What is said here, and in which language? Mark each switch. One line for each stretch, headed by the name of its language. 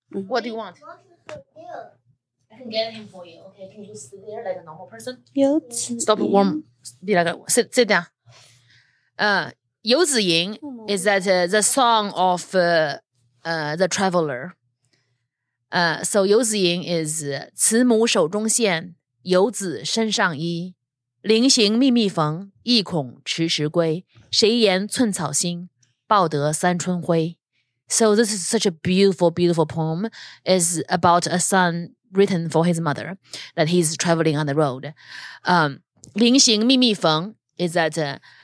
English: What do you want? I can get him for you. Okay, can you sit there like a normal person?
Chinese: 游子吟。
English: Stop warm. Be like, sit down. 游子吟 is that the song of the traveler.
Chinese: So 游子吟 is 慈母手中线，游子身上衣。临行密密缝，意恐迟迟归。谁言寸草心，报得三春晖。
English: So this is such a beautiful, beautiful poem. It's about a son written for his mother that he's traveling on the road.
Chinese: 临行密密缝
English: is that.